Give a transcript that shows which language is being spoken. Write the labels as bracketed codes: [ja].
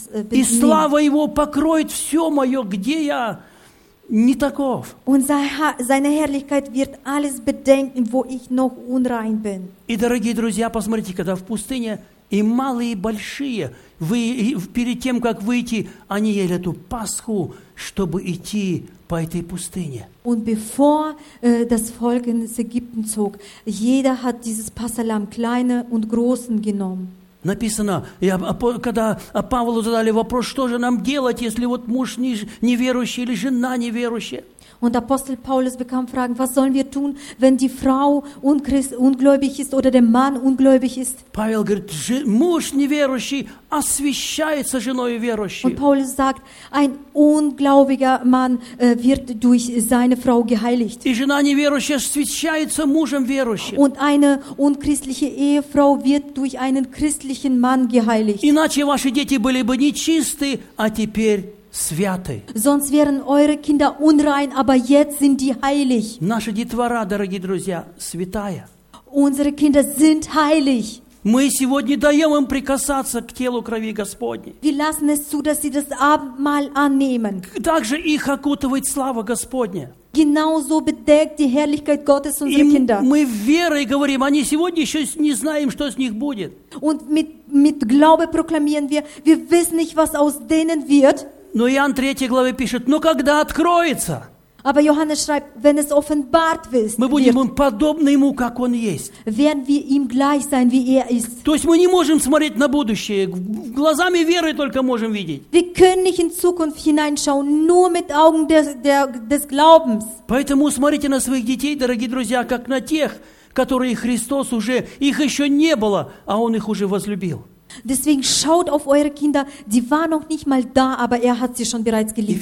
[ru] И слава его покроет все мое, где я не таков. [de] Und seine Herrlichkeit wird alles bedenken, wo ich noch unrein bin. [ru] И, дорогие друзья, посмотрите, когда в пустыне и малые, и большие, вы перед тем, как выйти, они ели эту Пасху, чтобы идти по этой пустыне. [de] Und bevor das Volk ins Ägypten zog, jeder hat dieses Passahlamm, kleine und großen, genommen. [ru] Написано, когда Павлу задали вопрос, что же нам делать, если вот муж неверующий или жена неверующая? [de] Und Apostel Paulus bekam Fragen, was sollen wir tun, wenn die Frau ungläubig ist oder der Mann ungläubig ist? [ru] Павел говорит, муж неверующий освящается женой верующей. [de] Und Paulus sagt, ein ungläubiger Mann wird durch seine Frau geheiligt. [ru] И жена неверующая освящается мужем верующим. [de] Und eine unchristliche Ehefrau wird durch einen christlichen Mann geheiligt. [ru] Иначе ваши дети были бы нечисты, а теперь святы. [de] Sonst wären eure Kinder unrein, aber jetzt sind die heilig. [ru] Наша детвора, дорогие друзья, святая. [de] Unsere Kinder sind heilig. [ru] Мы сегодня даем им прикасаться к телу крови Господней. [de] Wir lassen es zu, dass sie das Abendmahl annehmen. [ru] Также их окутывает слава Господня. [de] Genauso bedeckt die Herrlichkeit Gottes unsere Kinder. [ru] Мы верой говорим, они сегодня еще не знаем, что с них будет. [de] Und mit Glaube proklamieren wir wissen nicht, was aus denen wird. [ru] Но Иоанн 3 главе пишет, но когда откроется, [de] aber Johannes schreibt, wenn es offenbart ist, [ru] мы будем им подобны ему, как он есть. [de] Werden wir ihm gleich sein, wie er ist. [ru] То есть мы не можем смотреть на будущее, глазами веры только можем видеть. [de] Wir können nicht in Zukunft hineinschauen, nur mit Augen des Glaubens. [ru] Поэтому смотрите на своих детей, дорогие друзья, как на тех, которые Христос уже, их еще не было, а Он их уже возлюбил. [de] Deswegen schaut auf eure Kinder, die waren noch nicht mal da, aber er hat sie schon bereits geliebt.